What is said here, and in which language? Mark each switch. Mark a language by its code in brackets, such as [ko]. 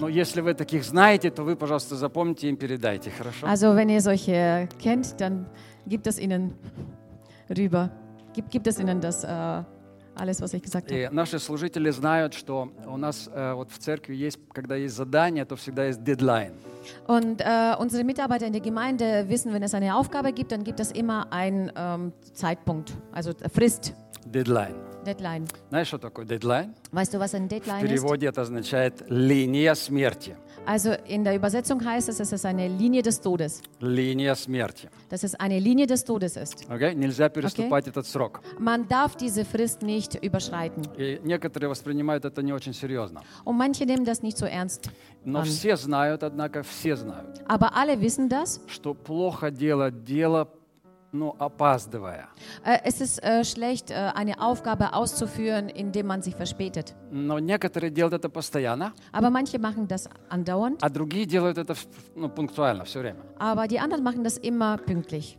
[ru] Но если вы таких знаете, то вы, пожалуйста, запомните им, передайте, хорошо? [de] Also wenn ihr solche kennt, dann gibt es ihnen rüber. Gibt es ihnen das alles, was ich gesagt habe. [ru] Наши служители знают, что у нас вот в церкви есть, когда есть задание, то всегда есть дедлайн. [de] Und unsere Mitarbeiter in der Gemeinde wissen, wenn es eine Aufgabe gibt, dann gibt es immer einen Zeitpunkt, also Frist. [en] Deadline. Deadline. [ru] Знаешь, что такое deadline? [de] Weißt du, was ein deadline [ru] В переводе это означает линия смерти. [de] Also in der Übersetzung heißt es, es ist eine Linie des Todes. [ru] Линия смерти. [de] Dass es eine Linie des Todes ist. [en] Okay? [ru] Нельзя переступать okay? этот срок. [de] Man darf diese Frist nicht überschreiten. [ru] И некоторые воспринимают это не очень серьезно. [de] Und manche nehmen das nicht so ernst. [ru] Но все знают, однако все знают. [de] Aber alle wissen das. [ru] Что плохо дело. Ну, опаздывая. [de] Es ist schlecht, eine Aufgabe auszuführen, indem man sich verspätet. [ru] Но некоторые делают это постоянно. [de] Aber manche machen das andauernd. [ru] А другие делают это ну, пунктуально, все время. [de] Aber die anderen machen das immer pünktlich.